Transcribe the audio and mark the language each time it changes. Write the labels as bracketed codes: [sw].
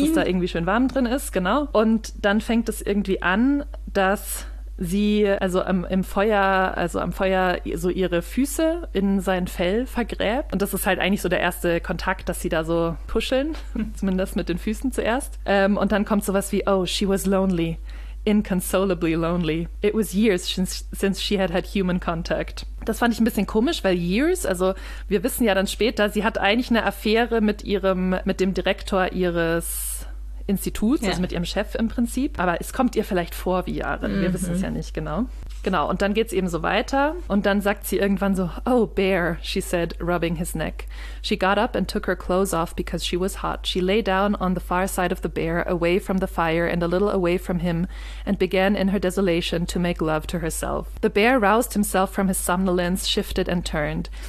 [de] dass es da irgendwie schön warm drin ist, genau. Und dann fängt es irgendwie an, dass sie also am Feuer so ihre Füße in sein Fell vergräbt. Und das ist halt eigentlich so der erste Kontakt, dass sie da so puscheln, zumindest mit den Füßen zuerst. Und dann kommt sowas wie, [en] oh, she was lonely, inconsolably lonely. It was years since she had had human contact. [de] Das fand ich ein bisschen komisch, weil years, also wir wissen ja dann später, sie hat eigentlich eine Affäre mit dem Direktor ihres Instituts, ja, also mit ihrem Chef im Prinzip. Aber es kommt ihr vielleicht vor wie Jahre. Mhm. Wir wissen es ja nicht genau. Genau, und dann geht es eben so weiter. Und dann sagt sie irgendwann so, [en] oh, bear, she said, rubbing his neck. She got up and took her clothes off because she was hot. She lay down on the far side of the bear, away from the fire and a little away from him, and began in her desolation to make love to herself. The bear roused himself from his somnolence, shifted and turned.